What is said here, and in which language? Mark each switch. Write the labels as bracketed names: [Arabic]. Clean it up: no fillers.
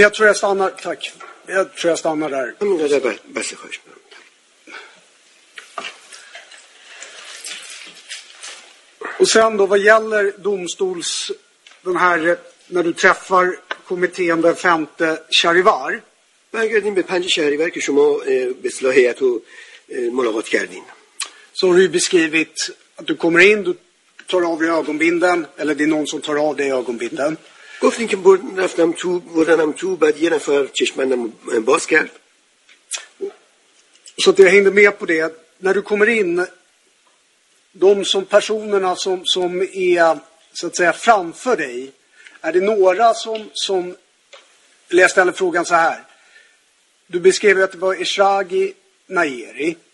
[Swedish] Jag tror jag stannar, tack. Jag tror jag stannar där. Det är bäst att höra. Och sen då, vad gäller domstols, den här, när du träffar kommittén den femte Charivar. [Persian] برگردیم به پنج شهریور که شما به اصطلاح هیئت رو ملاقات کردین. [Swedish] Så har du beskrivit att du kommer in, du tar av dig ögonbinden eller det är någon som tar av dig ögonbinden. [Persian] گفتین که رفتم تو بودنم تو بعد یه نفر چشمانم باز کرد. [Swedish] Så jag hängde med på det. När du kommer in, de som personerna som är så att säga framför dig, är det några som jag ställer frågan så här. Du beskrev att det var Ishraqi Nayeri.